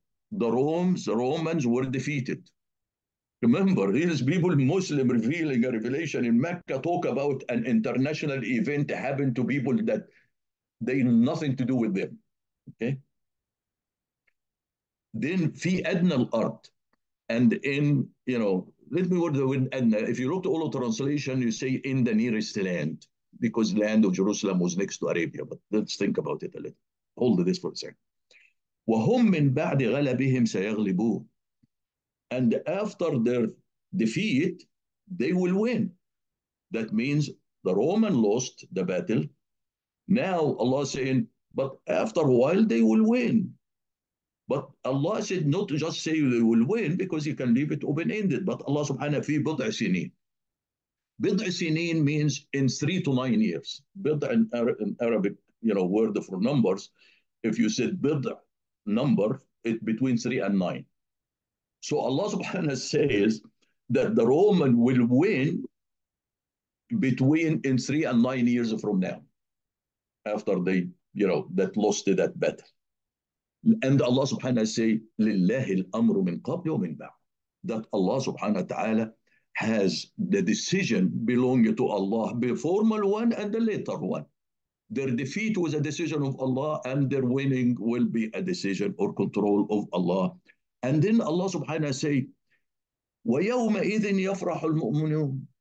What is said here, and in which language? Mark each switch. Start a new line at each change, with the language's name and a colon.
English: The Romans, the Romans were defeated. Remember, these people, Muslim, revealing a revelation in Mecca, talk about an international event happened to people that they had nothing to do with them. Okay. Then
Arabic: في أدنى الأرض,
English: and in, you know, let me word the word أدنى. If you look to all the translation, you say in the nearest land, because land of Jerusalem was next to Arabia. But let's think about it a little. Hold this for a second.
Arabic: وهم من بعد غلبهم سيغلبون.
English: And after their defeat, they will win. That means the Roman lost the battle. Now Allah is saying, but after a while they will win. But Allah said not just say they will win, because you can leave it open-ended. But Allah subhanahu
Arabic: في بضع سنين.
English: بضع سنين means in 3 to 9 years. بضع in Arabic, you know, word for numbers. If you said بضع number, it between 3 and 9. So Allah subhanahu says that the Roman will win between in 3 and 9 years from now, after they, you know, that lost that battle. And Allah subhanahu say,
Arabic: لله الأمر من قبل ومن بعد.
English: That Allah subhanahu wa ta'ala has the decision belonging to Allah, the formal one and the later one. Their defeat was a decision of Allah, and their winning will be a decision or control of Allah. And then Allah subhanahu wa ta'ala say,
Arabic: وَيَوْمَئِذٍ يَفْرَحُ الْمُؤْمِنُونَ.